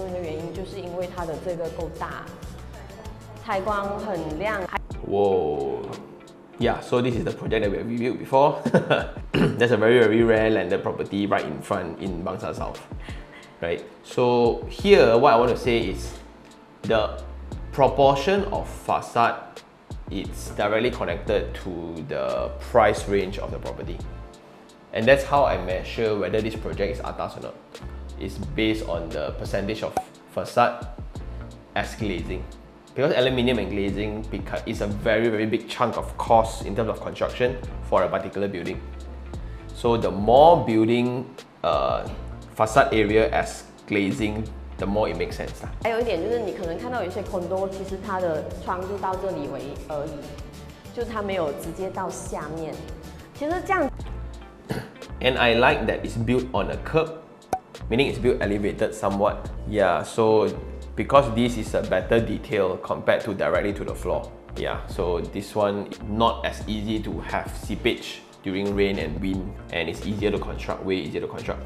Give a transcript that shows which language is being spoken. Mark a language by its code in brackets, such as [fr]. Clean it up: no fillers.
[zh] 可是我喜欢这个设计的其中一个原因就是因为它的这个够大， 采光很亮。 Whoa. [en] Yeah, so this is the project that we have reviewed before. That's a very, very rare landed property right in front in Bangsa South. Right? So here, what I want to say is the proportion of facade, it's directly connected to the price range of the property. And that's how I measure whether this project is atas or not. It's based on the percentage of facade as glazing. Because aluminium and glazing is a very, very big chunk of cost in terms of construction for a particular building. So the more building facade area as glazing, the more it makes sense. [zh] 还有一点就是你可能看到有些 condo 其实它的窗就到这里而已，就是它没有直接到下面。其实这样。 [en] And I like that it's built on a curb, meaning it's built elevated somewhat. Yeah, so because this is a better detail compared to directly to the floor. Yeah, so this one not as easy to have seepage during rain and wind, and it's easier to construct, way easier to construct.